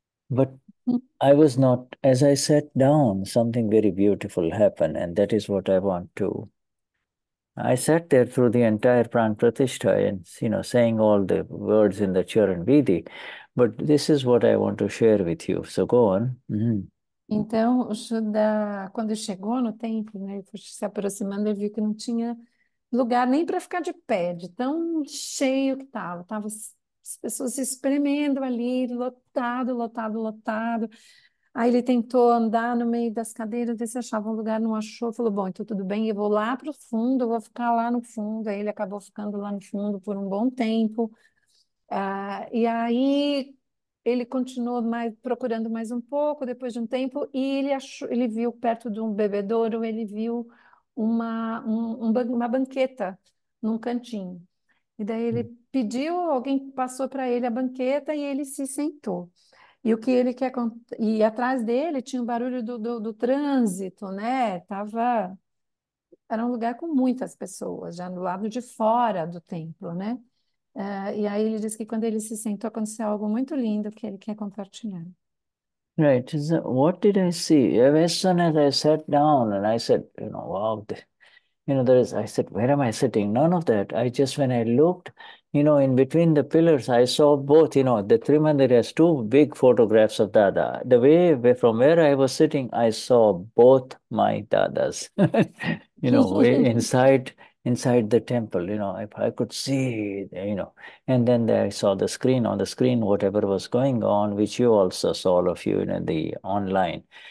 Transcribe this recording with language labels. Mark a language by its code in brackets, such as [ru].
[en] But I was not, as I sat down, something very beautiful happened, and that is what I want to. I sat there through the entire Pran Pratishtha and, you know, saying all the words in the Charan Vidhi, but this is what I want to share with you, so go on. Mm-hmm. [pt] Então, o Shuddha, quando chegou no templo, né, se aproximando, ele viu que não tinha lugar nem para ficar de pé, de tão cheio que estava. Estava as pessoas se espremendo ali, lotado, lotado, lotado. Aí ele tentou andar no meio das cadeiras, ver se achava um lugar, não achou. Falou, bom, então tudo bem, eu vou lá para o fundo, eu vou ficar lá no fundo. Aí ele acabou ficando lá no fundo por um bom tempo. E aí ele continuou mais, procurando mais um pouco, depois de um tempo, e ele achou, ele viu perto de um bebedouro, ele viu uma banqueta num cantinho. E daí ele pediu, alguém passou para ele a banqueta e ele se sentou. E o que ele quer e atrás dele tinha o um barulho do trânsito, né? Era um lugar com muitas pessoas, já do lado de fora do templo, né? E aí ele disse que quando ele se sentou, aconteceu algo muito lindo que ele quer compartilhar. [en] Right. What did I see? As soon as I sat down and I said, wow, I said, where am I sitting? None of that. I just, when I looked, in between the pillars, I saw both, the Trimandir has two big photographs of Dada. The way from where I was sitting, I saw both my Dadas, way inside the temple, if I could see, and then there I saw the screen on the screen, whatever was going on, which you also saw, all of you, the online.